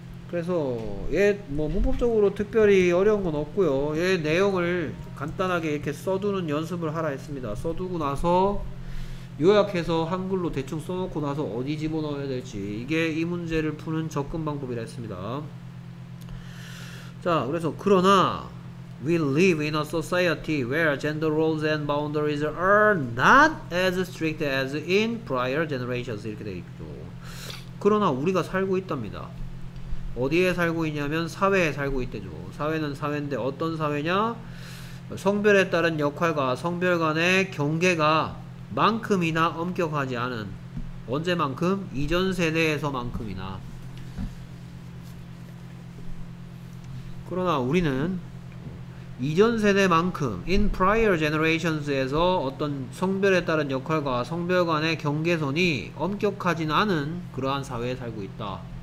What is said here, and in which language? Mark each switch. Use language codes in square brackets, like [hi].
[ko] 그래서 얘 뭐 문법적으로 특별히 어려운 건 없고요. 얘 내용을 간단하게 이렇게 써두는 연습을 하라 했습니다. 써두고 나서 요약해서 한글로 대충 써놓고 나서 어디 집어넣어야 될지 이게 이 문제를 푸는 접근 방법이라 했습니다. 자, 그래서 그러나 [en] We live in a society where gender roles and boundaries are not as strict as in prior generations [ko] 이렇게 돼 있죠. 그러나 우리가 살고 있답니다. 어디에 살고 있냐면 사회에 살고 있대죠. 사회는 사회인데 어떤 사회냐? 성별에 따른 역할과 성별 간의 경계가 만큼이나 엄격하지 않은 언제만큼? 이전 세대에서만큼이나 그러나 우리는 이전 세대만큼 [en] in prior generations [ko] 에서 어떤 성별에 따른 역할과 성별 간의 경계선이 엄격하진 않은 그러한 사회에 살고 있다.